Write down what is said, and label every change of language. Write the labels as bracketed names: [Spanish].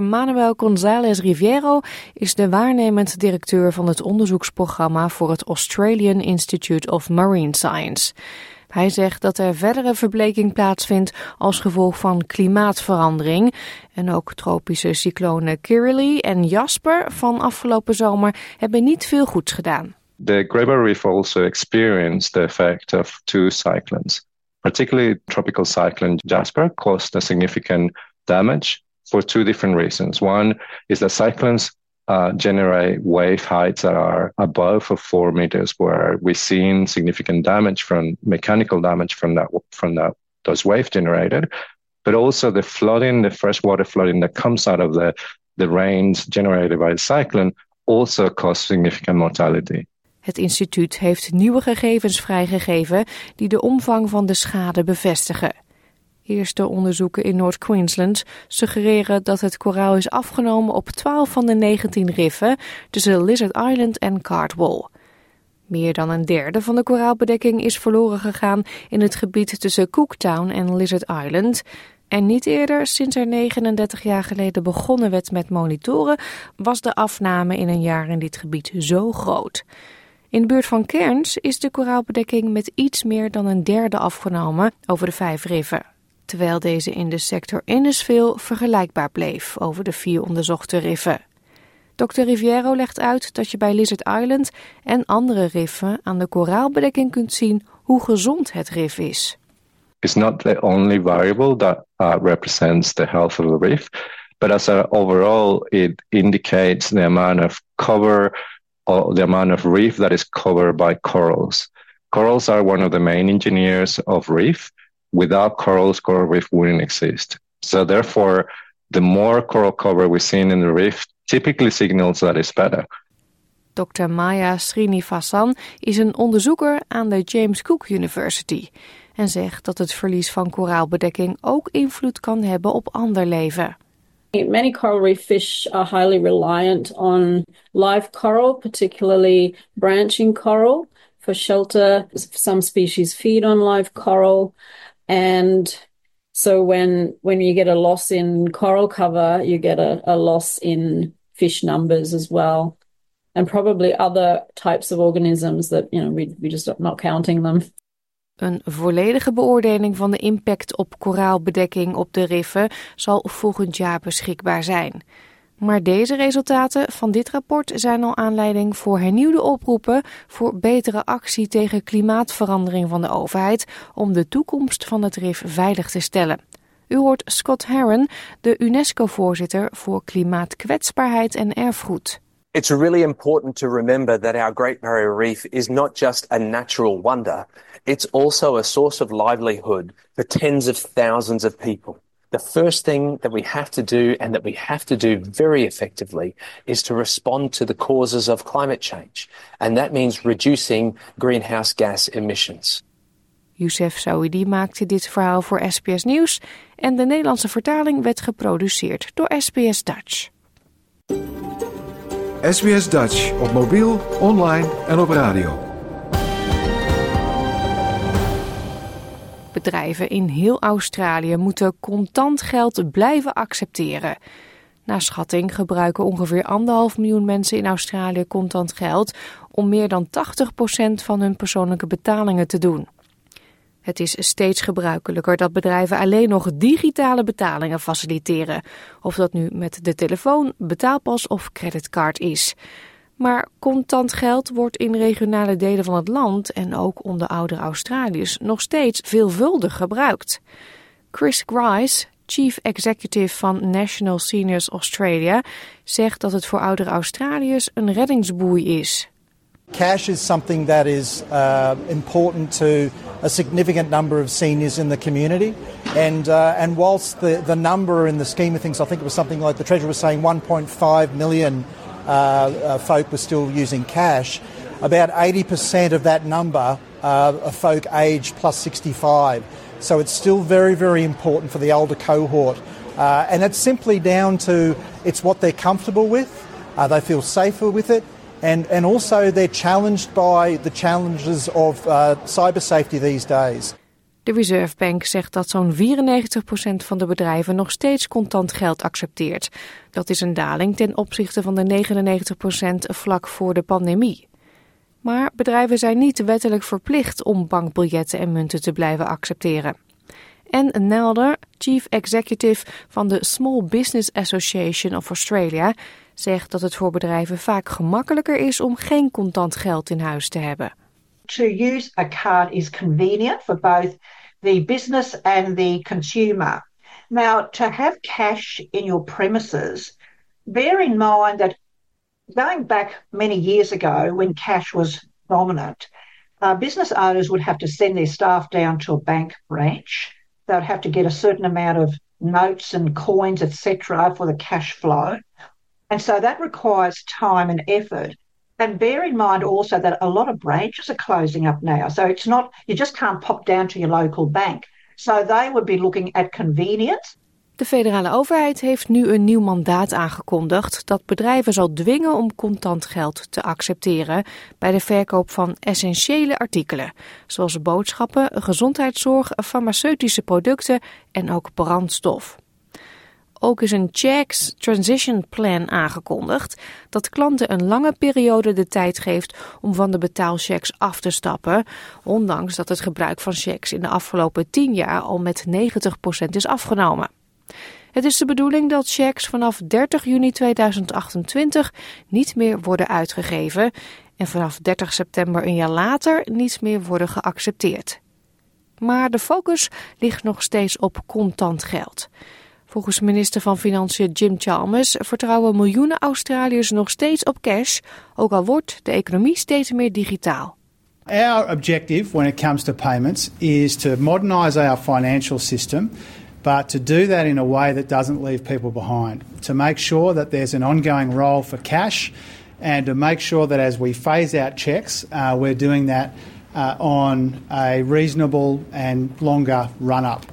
[Dutch] Manuel González Riviero is de waarnemend directeur van het onderzoeksprogramma voor het Australian Institute of Marine Science. Hij zegt dat er verdere verbleking plaatsvindt als gevolg van klimaatverandering. En ook tropische cyclonen Kirrily en Jasper van afgelopen zomer hebben niet veel goeds gedaan. [English] The Great Barrier Reef also experienced the effect of two cyclones. Particularly tropical cyclone Jasper caused a significant damage for two different reasons. One is that cyclones generate wave heights that are above 4 meters, where we've seen significant damage from mechanical damage from those wave generated. But also the flooding, the freshwater flooding that comes out of the rains generated by the cyclone also caused significant mortality. [Dutch] Het instituut heeft nieuwe gegevens vrijgegeven die de omvang van de schade bevestigen. Eerste onderzoeken in Noord-Queensland suggereren dat het koraal is afgenomen op 12 van de 19 riffen tussen Lizard Island en Cardwell. Meer dan een derde van de koraalbedekking is verloren gegaan in het gebied tussen Cooktown en Lizard Island. En niet eerder, sinds er 39 jaar geleden begonnen werd met monitoren, was de afname in een jaar in dit gebied zo groot. In de buurt van Cairns is de koraalbedekking met iets meer dan een derde afgenomen over de 5 riffen. Terwijl deze in de sector Innisfil vergelijkbaar bleef over de 4 onderzochte riffen. Dr. Riviero legt uit dat je bij Lizard Island en andere riffen aan de koraalbedekking kunt zien hoe gezond het rif is. [English] It's not the only variable that represents the health of the reef, but as a overall, it indicates the amount of cover or the amount of reef that is covered by corals. Corals are one of the main engineers of reef. Without corals, coral reef wouldn't exist. So therefore, the more coral cover we see in the reef typically signals that it's better. [Dutch] Dr. Maya Srinivasan is een onderzoeker aan de James Cook University en zegt dat het verlies van koraalbedekking ook invloed kan hebben op ander leven. [English] Many coral reef fish are highly reliant on live coral, particularly branching coral, for shelter. Some species feed on live coral. And so when you get a loss in coral cover, you get a loss in fish numbers as well. And probably other types of organisms that, you know, we just not counting them. [Dutch] Een volledige beoordeling van de impact op koraalbedekking op de riffen zal volgend jaar beschikbaar zijn. Maar deze resultaten van dit rapport zijn al aanleiding voor hernieuwde oproepen voor betere actie tegen klimaatverandering van de overheid om de toekomst van het rif veilig te stellen. U hoort Scott Herron, de UNESCO-voorzitter voor klimaatkwetsbaarheid en erfgoed. [English] It's really important to remember that our Great Barrier Reef is not just a natural wonder. It's also a source of livelihood for tens of thousands of people. The first thing that we have to do, and that we have to do very effectively, is to respond to the causes of climate change. And that means reducing greenhouse gas emissions. [Dutch] Youssef Saoudi maakte dit verhaal voor SBS Nieuws en de Nederlandse vertaling werd geproduceerd door SBS Dutch. SBS Dutch op mobiel, online en op radio. Bedrijven in heel Australië moeten contant geld blijven accepteren. Naar schatting gebruiken ongeveer 1,5 miljoen mensen in Australië contant geld om meer dan 80% van hun persoonlijke betalingen te doen. Het is steeds gebruikelijker dat bedrijven alleen nog digitale betalingen faciliteren. Of dat nu met de telefoon, betaalpas of creditcard is. Maar contant geld wordt in regionale delen van het land en ook onder oudere Australiërs nog steeds veelvuldig gebruikt. Chris Grice, Chief Executive van National Seniors Australia, zegt dat het voor oudere Australiërs een reddingsboei is. [English] Cash is something that is important to a significant number of seniors in the community. And whilst the number in the scheme of things, I think it was something like the Treasurer was saying 1.5 million folk were still using cash, about 80% of that number are folk aged plus 65. So it's still very, very important for the older cohort. And it's simply down to it's what they're comfortable with, they feel safer with it, and also they're challenged by the challenges of cyber safety these days. [Dutch] De Reserve Bank zegt dat zo'n 94% van de bedrijven nog steeds contant geld accepteert. Dat is een daling ten opzichte van de 99% vlak voor de pandemie. Maar bedrijven zijn niet wettelijk verplicht om bankbiljetten en munten te blijven accepteren. En Nelder, chief executive van de Small Business Association of Australia, zegt dat het voor bedrijven vaak gemakkelijker is om geen contant geld in huis te hebben. [English] To use a card is convenient for both the business and the consumer. Now, to have cash in your premises, bear in mind that going back many years ago when cash was dominant, business owners would have to send their staff down to a bank branch. They'd have to get a certain amount of notes and coins, etc., for the cash flow. And so that requires time and effort. And bear in mind also that a lot of branches are closing up now. So it's not, you just can't pop down to your local bank. So they would be looking at convenience. [Dutch] De federale overheid heeft nu een nieuw mandaat aangekondigd dat bedrijven zal dwingen om contant geld te accepteren bij de verkoop van essentiële artikelen, zoals boodschappen, gezondheidszorg, farmaceutische producten en ook brandstof. Ook is een Jack's Transition Plan aangekondigd dat klanten een lange periode de tijd geeft om van de betaalchecks af te stappen, ondanks dat het gebruik van checks in de afgelopen 10 jaar al met 90% is afgenomen. Het is de bedoeling dat checks vanaf 30 juni 2028 niet meer worden uitgegeven en vanaf 30 september een jaar later niet meer worden geaccepteerd. Maar de focus ligt nog steeds op contant geld. Volgens minister van Financiën Jim Chalmers vertrouwen miljoenen Australiërs nog steeds op cash, ook al wordt de economie steeds meer digitaal. [English] Our objective when it comes to payments is to modernise our financial system, but to do that in a way that doesn't leave people behind. To make sure that there's an ongoing role for cash and to make sure that as we phase out checks, we're doing that on a reasonable and longer run-up.